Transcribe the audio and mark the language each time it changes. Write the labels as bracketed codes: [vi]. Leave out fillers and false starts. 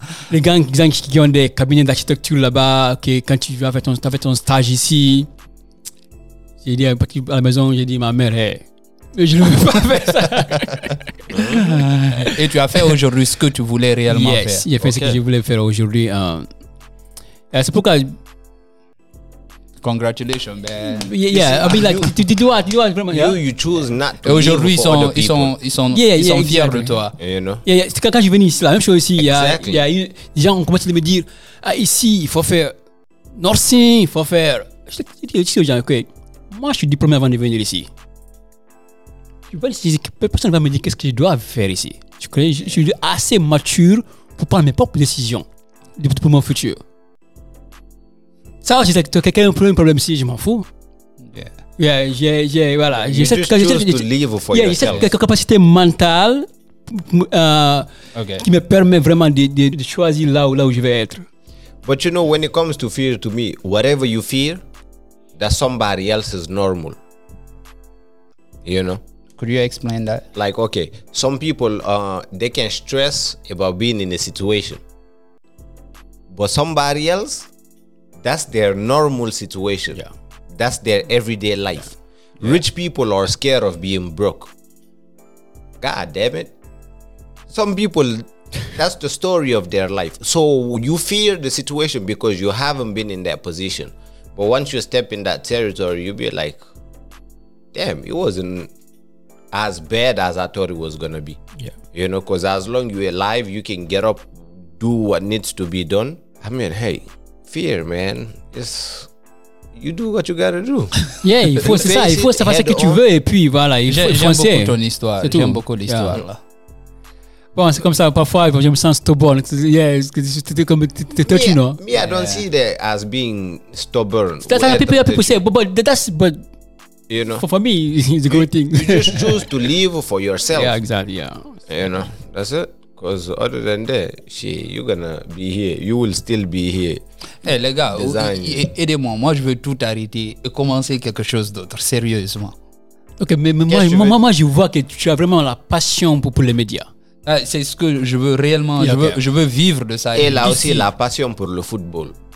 [fr] Les gens qui ont des cabinets d'architecture là-bas, okay, quand tu vas faire ton stage ici, j'ai dit à la maison, j'ai dit ma mère, hey, je ne veux pas faire ça. Et tu as fait aujourd'hui ce que tu voulais réellement faire. J'ai fait ce que je voulais faire aujourd'hui. C'est pourquoi. [en] Congratulations, man. Yeah, I mean, like, you do it [fr] vraiment. [en] You choose not to. [fr] Et aujourd'hui, ils sont fiers de toi. [en] You know. Yeah. [fr] C'est quand je viens ici, la même chose ici. [en] Exactly. [fr] Les gens ont commencé à me dire, ah, ici, il faut faire nursing, il faut faire. Je dis aux gens, ok, moi, je suis diplômé avant de venir ici. Personne ne va me dire qu'est-ce que je dois faire ici. Je suis assez mature pour prendre mes propres décisions pour mon futur. Ça, c'est que quelqu'un a un problème si je m'en fous. [en] Yeah. [fr] J'ai cette capacité mentale qui me permet vraiment de choisir là où je vais être. [en] But you know, when it comes to fear, to me, whatever you fear, that somebody else is normal. You know? Could you explain that? Like, okay, some people, they can stress about being in a situation. But somebody else, that's their normal situation. Yeah. That's their everyday life. Yeah. Rich people are scared of being broke. God damn it. Some people, that's the story of their life. So you fear the situation because you haven't been in that position. But once you step in that territory, you'll be like, damn, it wasn't as bad as I thought it was going to be. Yeah. You know, because as long as you're alive, you can get up, do what needs to be done. I mean, hey, fear, man. It's, you do what you gotta do. [fr] Yeah, il faut, c'est ça. Il faut savoir ce que tu veux et puis voilà. J'aime beaucoup ton histoire. J'aime beaucoup l'histoire. [en] Yeah. [fr] Là. Bon, c'est comme ça. Parfois, je me sens stubborn. [en] Yeah, [fr] c'est comme t'es touchy, non? [en] Me, I don't see that as being stubborn. That's how people say, but you know, for me, it's a good thing. You just choose to live for yourself. Yeah, exactly. Yeah, you know, that's it. Because other than that, you're gonna be here. You will still be here. [fr] Hey, les gars, aidez-moi. Moi, je veux tout arrêter et commencer quelque chose d'autre, sérieusement. Ok, mais moi, je vois que tu as vraiment la passion pour les médias. Ah, c'est ce que je veux réellement. [en] Yeah, [fr] je veux vivre de ça. Et là aussi, la passion pour le football.